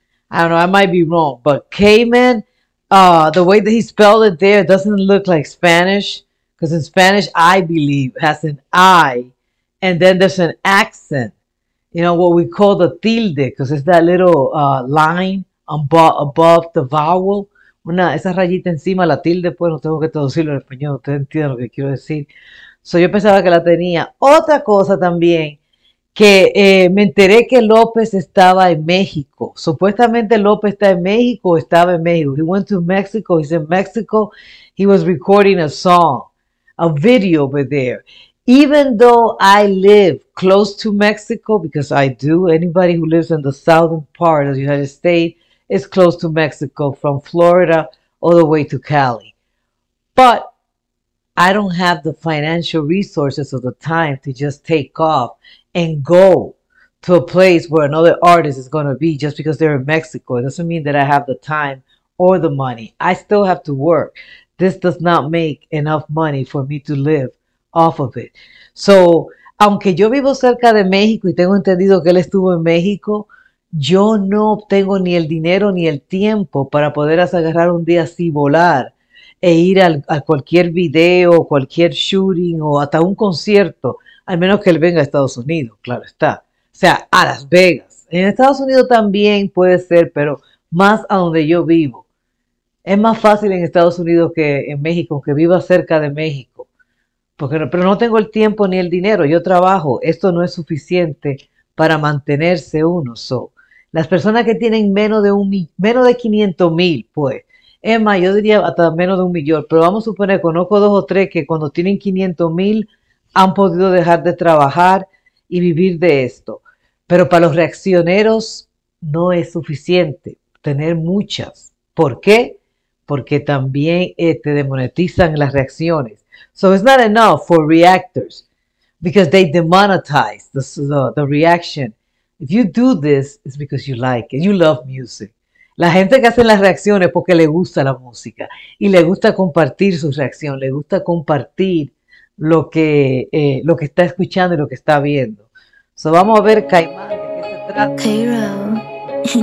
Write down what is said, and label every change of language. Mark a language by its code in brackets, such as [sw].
[en] I don't know, I might be wrong, but Cayman, the way that he spelled it there doesn't look like Spanish, because in Spanish, I believe, has an I, and then there's an accent, you know, what we call the tilde, because it's that little line above the vowel, [es] esa rayita encima, la tilde, pues no tengo que traducirlo en español, ustedes entienden lo que quiero decir. So yo pensaba que la tenía. Otra cosa también. Que me enteré que López estaba en México. Supuestamente López está en México o estaba en México. [en] He went to Mexico, he's in Mexico. He was recording a song, a video over there. Even though I live close to Mexico, because I do, anybody who lives in the southern part of the United States is close to Mexico from Florida all the way to Cali. But I don't have the financial resources or the time to just take off and go to a place where another artist is going to be just because they're in Mexico. It doesn't mean that I have the time or the money. I still have to work. This does not make enough money for me to live off of it. [es] So, aunque yo vivo cerca de México y tengo entendido que él estuvo en México, yo no tengo ni el dinero ni el tiempo para poder agarrar un día así, volar e ir a cualquier video, cualquier shooting o hasta un concierto, al menos que él venga a Estados Unidos, claro está. O sea, a Las Vegas. En Estados Unidos también puede ser, pero más a donde yo vivo. Es más fácil en Estados Unidos que en México, aunque viva cerca de México. Pero no tengo el tiempo ni el dinero. Yo trabajo. Esto no es suficiente para mantenerse uno. So, las personas que tienen menos de 500 mil, pues. Emma, yo diría hasta menos de 1 millón, pero vamos a suponer, conozco dos o tres que cuando tienen 500 mil han podido dejar de trabajar y vivir de esto. Pero para los reaccioneros no es suficiente tener muchas. ¿Por qué? Porque también te demonetizan las reacciones. [en] So it's not enough for reactors because they demonetize the reaction. If you do this, it's because you like it. You love music. [es] La gente que hace las reacciones porque le gusta la música y le gusta compartir su reacción, le gusta compartir lo que está escuchando y lo que está viendo. So vamos a ver, Caimán, ¿de qué se trata?